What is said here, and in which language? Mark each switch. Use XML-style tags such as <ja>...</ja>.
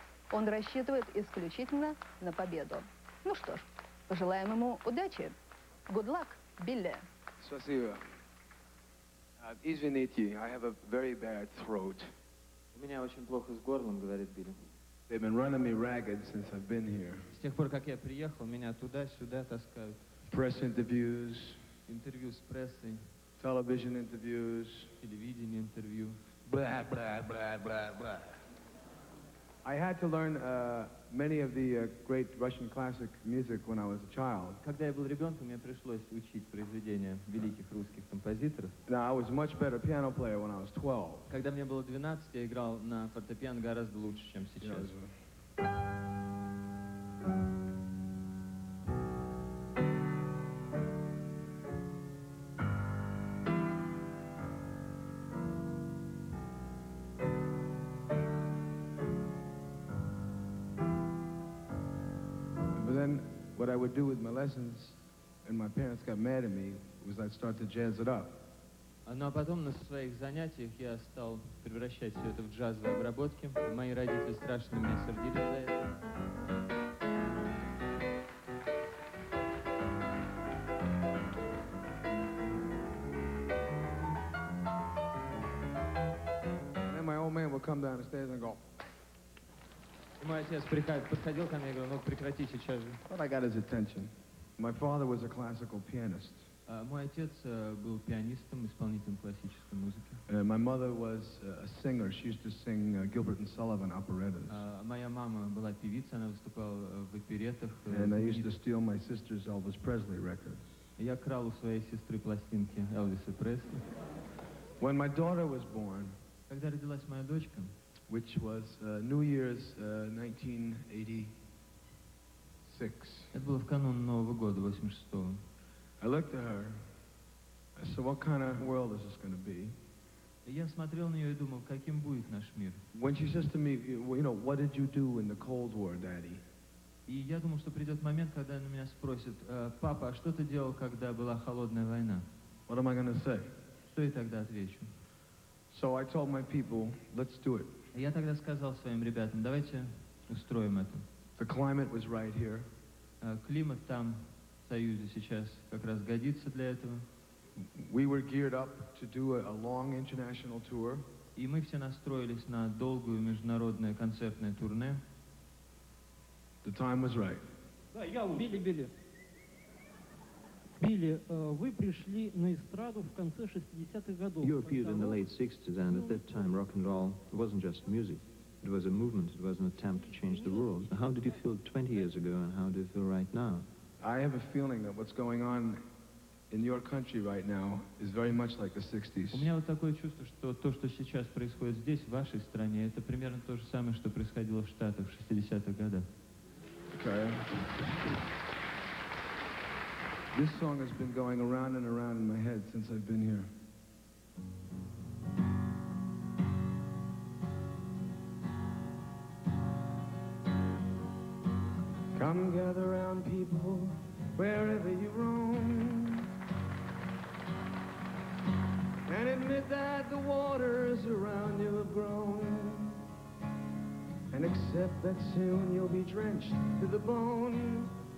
<ru>Он рассчитывает исключительно на победу. Ну что ж, пожелаем ему удачи.</ru> <en>Good luck, Билли.</en> <ru>Спасибо. Извините,</ru> <en>I have a very bad throat.</en> <ru>У меня очень плохо с горлом, говорит Билли.</ru> <en>They've been running me ragged since I've been here.</en> <ru>С тех пор, как я приехал, меня туда-сюда таскают.</ru> <en>Press interviews.</en> <ru>Интервью с прессой.</ru> <en>Television interviews.</en> <ru>Телевидение интервью.</ru> <en>Blah, blah, blah, blah, blah. I had to learn many of the great Russian classic music when I was a child.</en> <ru>Когда я был ребенком, мне пришлось учить произведения великих русских композиторов.</ru> <en>Now I was a much better piano player when I was 12.</en> <ru>Когда мне было 12, я играл на фортепиано гораздо лучше, чем сейчас.</ru> <en>What I would do with my lessons, and my parents got mad at me, was I'd start to jazz it up.</en> <ru>Но потом на своих занятиях я стал превращать все это в джазовые обработки. Мои родители страшно меня сердили за это.</ru> <en>And then my old man would come down the stairs and go.</en> <ru>Мой отец подходил ко мне и говорил, ну прекрати сейчас же.</ru> <en>But I got his attention. My father was a classical pianist.</en> <ru>Мой отец был пианистом, исполнителем классической музыки.</ru> <en>My mother was a singer. She used to sing Gilbert and Sullivan operettas.</en> <ru>Моя мама была певицей, она выступала в оперетах.</ru> <en>And I used to steal my sister's Elvis Presley records.</en> <ru>Я крал у своей сестры пластинки Элвиса Пресли.</ru> <en>When my daughter was born,</en> <ru>когда родилась моя дочка,</ru> <en>which was New Year's 1986.</en> <ru>Это было в канун Нового года, 86-го.</ru> <en>I looked at her. I said, "What kind of world is this going to be?"</en> <ru>Я смотрел на нее и думал, каким будет наш мир.</ru> <en>When she says to me, "You know, what did you do in the Cold War, Daddy?"</en> <ru>И я думал, что придет момент, когда она меня спросит, "Папа, а что ты делал, когда была холодная война?"</ru> <en>What am I going to say?</en> <ru>Что я тогда отвечу?</ru> <en>So I told my people, "Let's do it."</en> <ru>Я тогда сказал своим ребятам, давайте устроим это.</ru> <en>The climate was right here.</en> <ru>Климат там. Союзе сейчас как раз годится для этого.</ru> <en>We were geared up to do a long international tour.</en> <ru>И мы все настроились на долгую международное концертное турне.</ru> <en>The time was right.</en> <ru>Билли, вы пришли на эстраду в конце 60-х годов.</ru> <en>You appeared in the late 60s, and at that time rock and roll wasn't just music. It was a movement, it was an attempt to change the world. How did you feel 20 years ago, and how do you feel right now? I have a feeling that what's going on in your country right now is very much like the 60s.</en> <ru>У меня вот такое чувство, что то, что сейчас происходит здесь, в вашей стране, это примерно то же самое, что происходило в Штатах в 60-х годах.</ru> <en>Okay. This song has been going around and around in my head since I've been here. Come gather round people, wherever you roam, and admit that the waters around you have grown, and accept that soon you'll be drenched to the bone.</en>